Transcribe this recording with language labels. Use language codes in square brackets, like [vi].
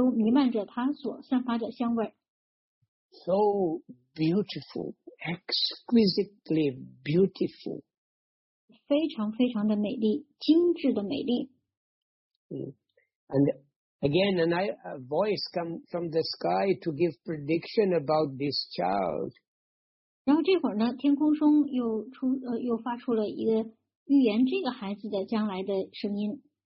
[zh] 而且呢，它还散发着非常的迷人的芬芳，整个这个地方全部都弥漫着它所散发的香味。 [en] So beautiful, exquisitely beautiful. [zh] 非常非常的美丽，精致的美丽。 [en] And again, a voice comes from the sky to give prediction about this child. [zh] 然后这会儿呢，天空中又发出了一个预言这个孩子的将来的声音。